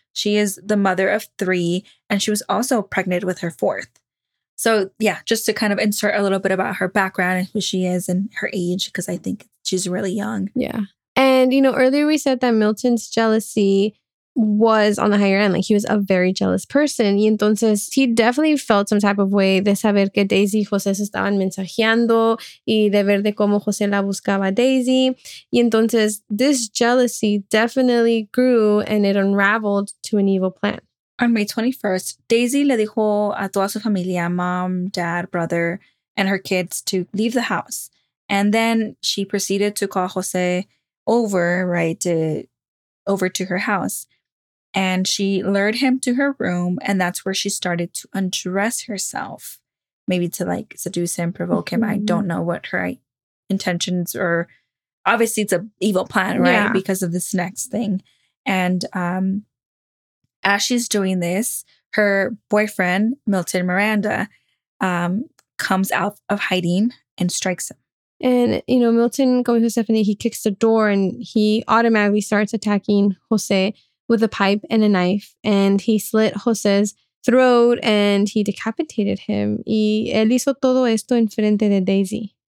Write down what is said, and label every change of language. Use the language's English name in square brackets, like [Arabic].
[English] She is the mother of three, and she was also pregnant with her fourth. So, yeah, just to kind of insert a little bit about her background and who she is and her age, because I think she's really young. Yeah. And, you know, earlier we said that Milton's jealousy was on the higher end. Like, he was a very jealous person. [Spanish] Y entonces, [English] he definitely felt some type of way [Spanish] de saber que Daisy y José se estaban mensajeando y de ver de cómo José la buscaba a Daisy. Y entonces, [English] this jealousy definitely grew and it unraveled to an evil plan. On May 21st, Daisy [Spanish] le dijo a toda su familia, [English] mom, dad, brother, and her kids to leave the house. And then she proceeded to call José over, right, over to her house. And she lured him to her room, and that's where she started to undress herself, maybe to like seduce him, provoke him. I don't know what her intentions are. Obviously, it's an evil plan, right? Yeah. Because of this next thing. And as she's doing this, her boyfriend, Milton Miranda, comes out of hiding and strikes him. And, you know, Milton, going to Stephanie, he kicks the door and he automatically starts attacking Jose with a pipe and a knife, and he slit Jose's throat and he decapitated him. [Spanish] Y él hizo todo esto en frente de Daisy.